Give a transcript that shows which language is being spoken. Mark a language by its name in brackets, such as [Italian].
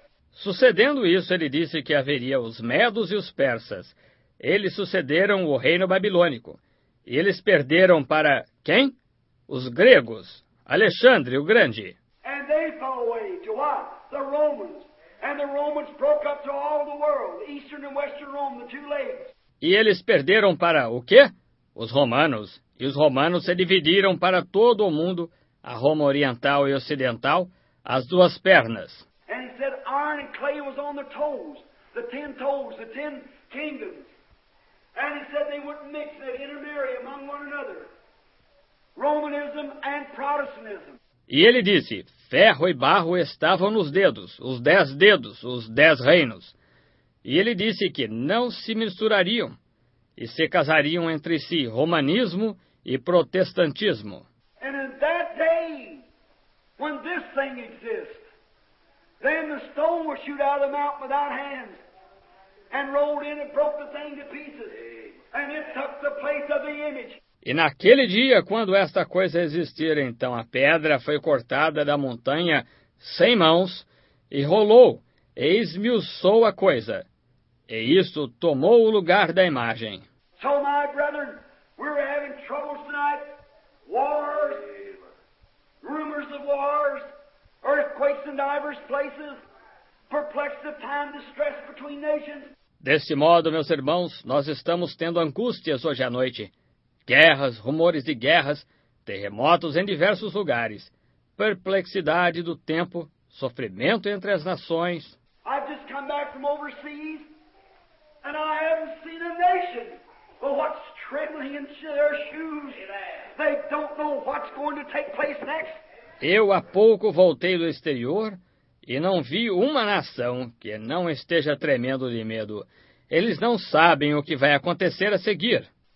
[Portuguese] Sucedendo isso, ele disse que haveria os medos e os persas. Eles sucederam o reino babilônico. E eles perderam para quem? Os gregos. Alexandre, o Grande. [English] And they fell away to what? The Romans. And the Romans broke up to all the world, Eastern and Western Rome, the two legs. [Portuguese] E eles perderam para o quê? Os romanos. E os romanos se dividiram para todo o mundo, a Roma Oriental e Ocidental, as duas pernas. [English] And he said iron and clay was on their toes, the ten kingdoms. And he said they wouldn't mix, they'd intermarry among one another. Romanism and Protestantism. [Portuguese] E ele disse, ferro e barro estavam nos dedos, os dez reinos. E ele disse que não se misturariam e se casariam entre si, romanismo e protestantismo. [English] And in that day, when this thing exists, then the stone was shoot out of the mountain without hands and rolled in and broke the thing to pieces. And it took the place of the image. [Portuguese] E naquele dia, quando esta coisa existir, então a pedra foi cortada da montanha sem mãos e rolou, e esmiuçou a coisa. E isto tomou o lugar da imagem. [English] So, my brethren, we're having troubles tonight. Wars, rumors of wars, earthquakes in diverse places, perplexed of time, distress between nations. [Portuguese] Deste modo, meus irmãos, nós estamos tendo angústias hoje à noite. Guerras, rumores de guerras, terremotos em diversos lugares, perplexidade do tempo, sofrimento entre as nações. [English] I've just come back from overseas, and I haven't seen a nation, but what's trembling in their shoes. They don't know what's going to take place next. [Portuguese] Eu há pouco voltei do exterior e não vi uma nação que não esteja tremendo de medo. Eles não sabem o que vai acontecer a seguir.